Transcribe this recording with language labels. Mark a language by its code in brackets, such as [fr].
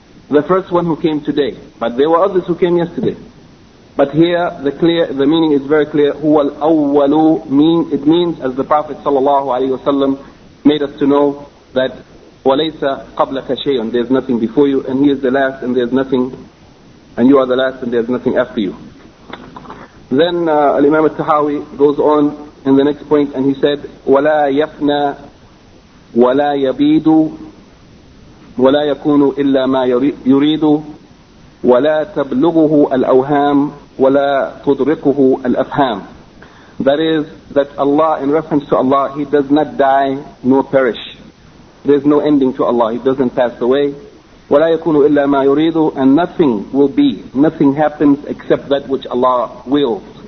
[en] the first one who came today. But there were others who came yesterday. But here, the meaning is very clear. [ar] هُوَ الْأَوَّلُ [en] mean, it means, as the Prophet ﷺ made us to know, that [ar] وَلَيْسَ قَبْلَكَ شَيْءٌ, [en] there is nothing before you, and he is the last, and there is nothing, and you are the last, and there is nothing after you. Then Imam al-Tahawi goes on in the next point, and he said, [ar] وَلَا يَفْنَى وَلَا يَبِيدُ وَلَا يَكُونُ إِلَّا مَا يُرِيدُ وَلَا تَبْلُغُهُ الْأَوْهَامُ وَلَا تُدْرِكُهُ الْأَفْهَامُ. [en] That is, that Allah, in reference to Allah, He does not die nor perish. There is no ending to Allah. He doesn't pass away. [ar] وَلَا يَكُونُ إِلَّا مَا يُرِيدُ, [en] and nothing will be, nothing happens except that which Allah wills.